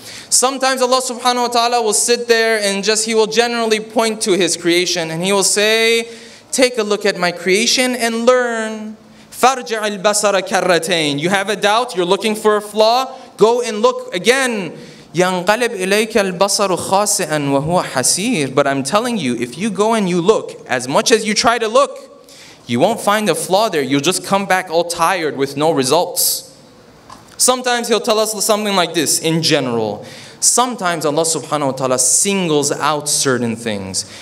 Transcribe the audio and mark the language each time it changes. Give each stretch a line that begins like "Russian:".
English: Sometimes Allah subhanahu wa ta'ala will sit there and just, He will generally point to His creation and He will say, take a look at my creation and learn.
Arabic: فَارْجِعِ الْبَصَرَ كَرَّتَيْنِ.
English: You have a doubt, you're looking for a flaw, go and look again.
Arabic: ينقلب إليك البصر خاسئاً وهو حسير.
English: But I'm telling you, if you go and you look, as much as you try to look, you won't find a flaw there. You'll just come back all tired with no results. Sometimes he'll tell us something like this in general. Sometimes Allah subhanahu wa ta'ala singles out certain things.